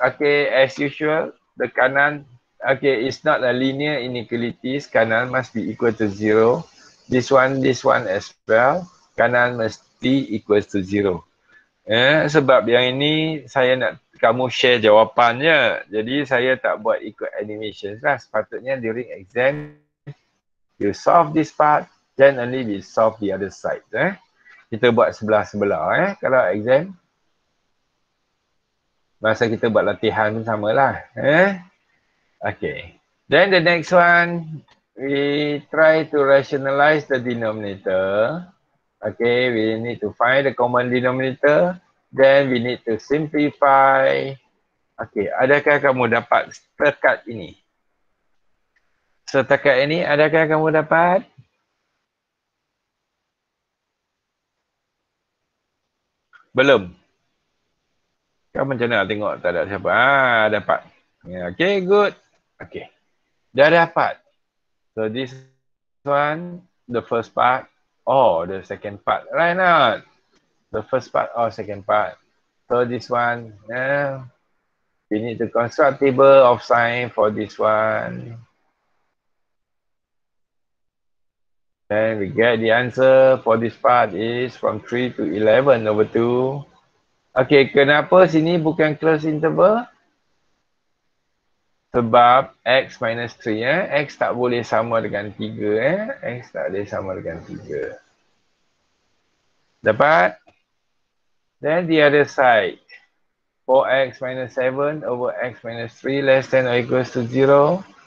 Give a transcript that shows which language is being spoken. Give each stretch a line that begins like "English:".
English: Okay, as usual. The kanan. Okay, it's not a linear inequality. Kanan must be equal to zero. This one as well.
Malay: Kanan mesti
English: equal to zero.
Malay: Sebab yang ini saya nak kamu share jawapannya. Jadi saya tak buat ikut animation lah. Sepatutnya
English: during exam you solve this part, then only we solve the other side.
Malay: Kita buat sebelah-sebelah kalau exam. Masa kita buat latihan pun samalah. Okay.
English: Then the next one, we try to rationalize the denominator. Okay, we need to find the common denominator. Then we need to simplify.
Malay: Okay, adakah kamu dapat setakat ini? Setakat ini, adakah kamu dapat? Belum. Kamu macam mana tengok tak ada siapa? Dapat. Okay, good. Okay. Dah dapat.
English: So this one, the first part or the second part. Right now, the first part or second part. So this one, we need to construct table of sign for this one. Then we get the answer for this part is from 3 to 11 over 2.
Malay: Okay, kenapa sini bukan close interval? Sebab x minus 3, x tak boleh sama dengan 3, x tak boleh sama dengan 3. Dapat?
English: Then the other side, 4x minus 7 over x minus 3 less than or equals to 0.